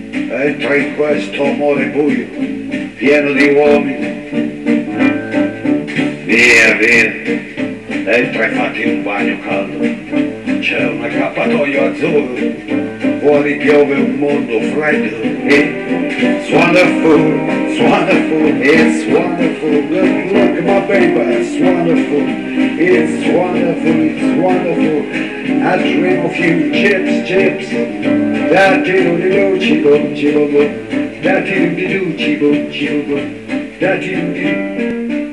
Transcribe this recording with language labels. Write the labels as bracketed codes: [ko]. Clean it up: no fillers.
[it] Entra in questo amore buio, pieno di uomini. Via, via, entra e fatti un bagno caldo. C'è un accappatoio azzurro, fuori piove un mondo freddo. [en] It's wonderful, it's wonderful, it's wonderful. Good luck, my baby, it's wonderful. It's wonderful, it's wonderful. I dream of you, chips, chips. Da ti do di do, chi boom, chi boom boom. Da ti do di do, chi boom, chi boom boom. Da ti do di do.